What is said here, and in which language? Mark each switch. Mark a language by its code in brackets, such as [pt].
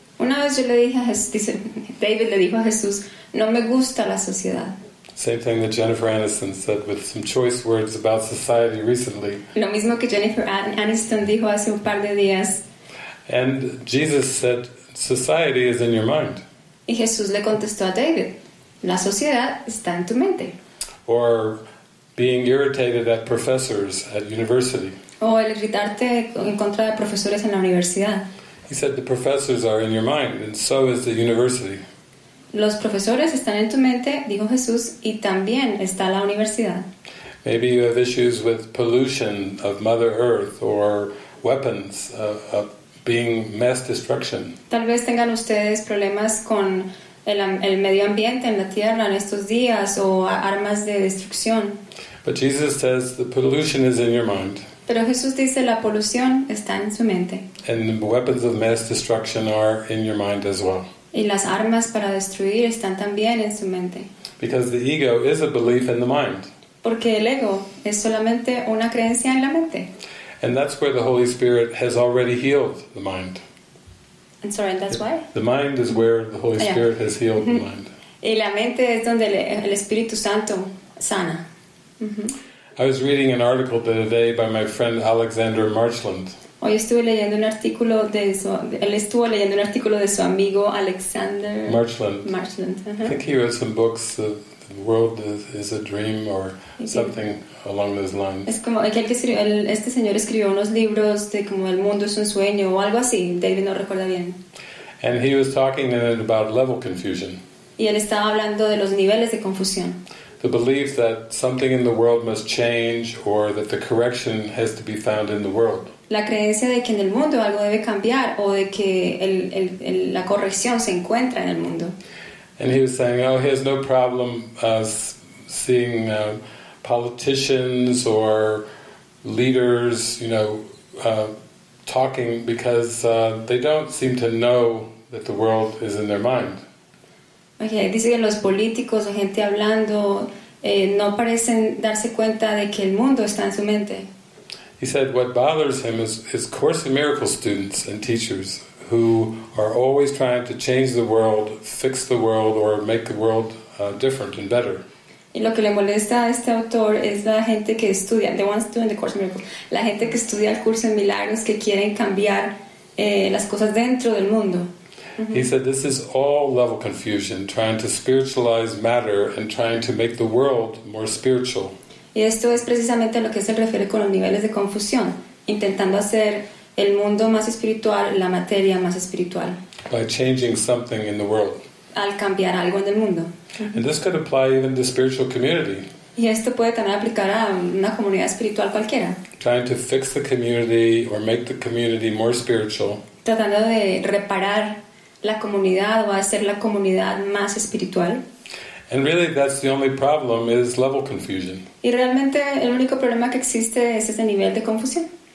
[es] Una vez yo le dije a Jesús, dice, David le dijo a Jesús, no me gusta la sociedad. [en] Same thing that Jennifer Aniston said with some choice words about society recently. [es] Lo mismo que Jennifer Aniston dijo hace un par de días. [en] And Jesus said, society is in your mind. [es] Y Jesús le contestó a David, la sociedad está en tu mente. [en] Or being irritated at professors at university. [es] O el irritarte en contra de profesores en la universidad. [en] He said the professors are in your mind, and so is the university. [es] Los profesores están en tu mente, dijo Jesús, y también está la universidad. [en] Maybe you have issues with pollution of Mother Earth or weapons of being mass destruction. [es] Tal vez tengan ustedes problemas con el medio ambiente en la tierra en estos días o armas de destrucción. [en] But Jesus says the pollution is in your mind. [es] Pero Jesús dice la polución está en su mente. [en] And the weapons of mass destruction are in your mind as well. [es] Y las armas para destruir están también en su mente. [en] Because the ego is a belief in the mind. [es] Porque el ego es solamente una creencia en la mente. [en] And that's where the Holy Spirit has already healed the mind. I'm sorry, that's why? The mind is where the Holy Spirit has healed the mind. [es] Y la mente es donde el Espíritu Santo sana. [en] I was reading an article the other day by my friend Alexander Marchland. [es] Hoy estuve leyendo un artículo de su, él estuvo leyendo un artículo de su amigo Alexander Marchland. Marchland. [en] I think he wrote some books, The World is a Dream or something along those lines. [es] Es como aquel que escribió, este señor escribió unos libros de como El Mundo es un Sueño o algo así, David no recuerda bien. [en] And he was talking in it about level confusion. [es] Y él estaba hablando de los niveles de confusión. [en] The belief that something in the world must change or that the correction has to be found in the world. [es] La creencia de que en el mundo algo debe cambiar o de que la corrección se encuentra en el mundo. [en] And he was saying, oh, he has no problem seeing politicians or leaders, you know, talking because they don't seem to know that the world is in their mind. [es] Okay, dice que los políticos o gente hablando no parecen darse cuenta de que el mundo está en su mente. [en] He said what bothers him is Course in Miracles students and teachers who are always trying to change the world, fix the world, or make the world different and better. [es] Y lo que le molesta a este autor es la gente que estudia, [en] the ones doing the Course in Miracles, [es] la gente que estudia el curso en milagros que quieren cambiar las cosas dentro del mundo. [en] He said, this is all level confusion, trying to spiritualize matter and trying to make the world more spiritual. [es] Y esto es precisamente a lo que se refiere con los niveles de confusión, intentando hacer el mundo más espiritual, la materia más espiritual. [en] By changing something in the world. [es] Al cambiar algo en el mundo. [en] And this could apply even to spiritual community. [es] Y esto puede también aplicar a una comunidad espiritual cualquiera. [en] Trying to fix the community or make the community more spiritual. [es] Tratando de reparar la comunidad va a ser la comunidad más espiritual. [en] And really that's the only problem is level confusion. [es] Y realmente el único problema que existe es ese nivel de confusión.